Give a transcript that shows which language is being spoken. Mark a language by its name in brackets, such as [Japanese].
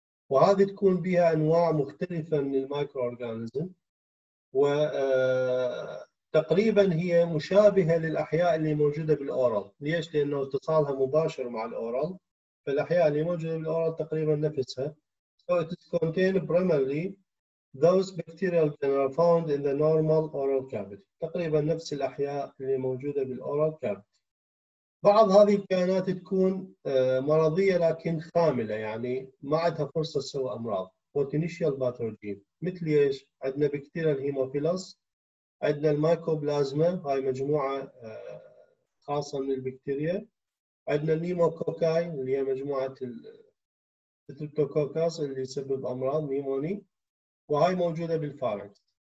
[Arabic] وهذه تكون بها أنواع مختلفة من المايكرو أورجانيزم، وتقريبا هي مشابهة للأحياء اللي موجودة بالأورال. ليش؟ لأنه اتصالها مباشر مع الأورال، فالأحياء اللي موجودة بالأورال تقريبا نفسها. [English] So it contains primarily those bacterial genera found in the normal oral cavity. [Arabic] تقريبا نفس الأحياء اللي موجودة بالأورال كافيتي. بعض هذه الكائنات تكون مرضية لكن خاملة، يعني ما عندها فرصة تسوي أمراض. [English] potential pathogen [Arabic] مثل إيش؟ عندنا بكتيريا الهيموفيلس، عندنا المايكوبلازما، هاي مجموعة خاصة من البكتيريا، عندنا النيموكوكاي اللي هي مجموعة التريبتوكوكاس اللي يسبب أمراض نيموني، وهاي موجودة بالفارنكس.